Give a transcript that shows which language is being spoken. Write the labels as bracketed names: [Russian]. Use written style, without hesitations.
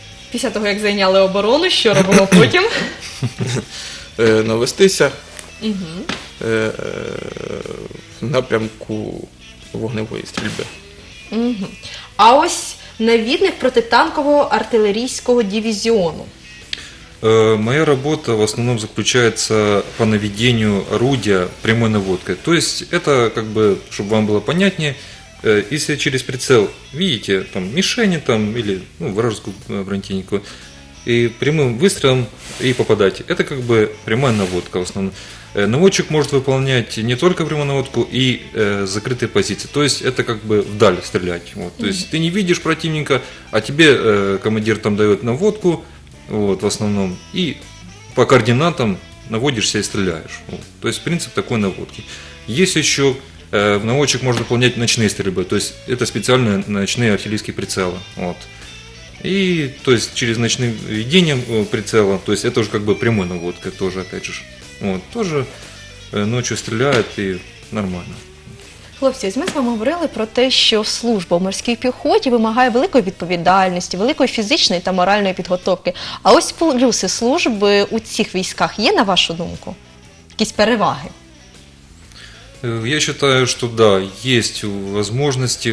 [Ukrainian] після того, як зайняли оборону, що робимо потім? Навестися в напрямку вогневої стрільби. А ось навідник протитанкового артилерійського дивізіону. [Russian] Моя работа в основном заключается по наведению орудия прямой наводкой. То есть это, как бы, чтобы вам было понятнее, если через прицел видите там мишени там, или, ну, вражескую бронетехнику, и прямым выстрелом и попадаете. Это как бы прямая наводка в основном. Наводчик может выполнять не только прямую наводку и закрытые позиции. То есть это как бы вдаль стрелять. Вот. То есть ты не видишь противника, а тебе командир там дает наводку. Вот, в основном, и по координатам наводишься и стреляешь. Вот. То есть принцип такой наводки. Есть еще, наводчик может выполнять ночные стрельбы, то есть это специальные ночные артиллерийские прицелы. Вот. И то есть через ночным ведением прицела, то есть это уже как бы прямой наводкой тоже, опять же. От, тоже ночью стреляют и нормально. [Ukrainian] Хлопці, ми з вами говорили про те, що служба в морській піхоті вимагає великої відповідальності, великої фізичної та моральної підготовки. А ось плюси служби у цих військах є, на вашу думку? Якісь переваги? [Russian] Я считаю, что да, есть возможности.